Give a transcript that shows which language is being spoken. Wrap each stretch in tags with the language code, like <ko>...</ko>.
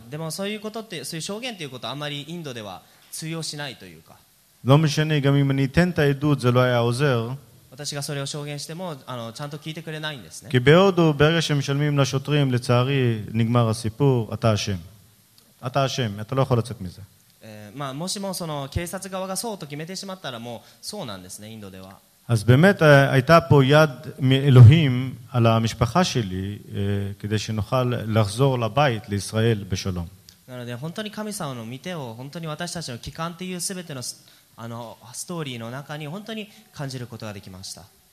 <ja>でもそういうことってそういう証言ということはあまりインドでは通用しないというか。</ja> <he>לא משנה, גם אם אני אתן את העדות, זה לא היה עוזר.</he> <ja>私がそれを証言しても、あの、ちゃんと聞いてくれないんですね。</ja> <he>כי בהודו, ברגע שמשלמים לשוטרים, לצערי, נגמר הסיפור, אתה אשם. אתה אשם, אתה לא יכול לצאת מזה.</he> <ja>まあ、もしもその警察側がそうと決めてしまったら、もうそうなんですね、インドでは。</ja> <he>אז באמת, הייתה פה יד מאלוהים על המשפחה שלי, כדי שנוכל לחזור לבית, לישראל, בשלום.</he> <ja>なので、本当に神様の御手を、本当に私たちの帰還という全てのあのストーリーの中に本当に感じることができました。</ja>